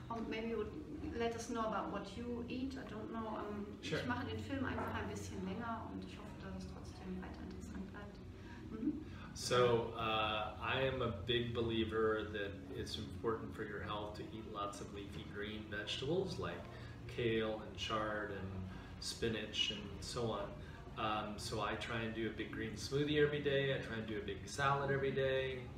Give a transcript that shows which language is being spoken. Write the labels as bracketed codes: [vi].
[en] Maybe you would let us know about what you eat. I don't know. Sure. [de] Ich mache den Film einfach ein bisschen länger und ich hoffe, dass es trotzdem weiter interessant bleibt. [en] So, I am a big believer that it's important for your health to eat lots of leafy green vegetables like kale and chard and spinach and so on. So I try and do a big green smoothie every day. I try and do a big salad every day.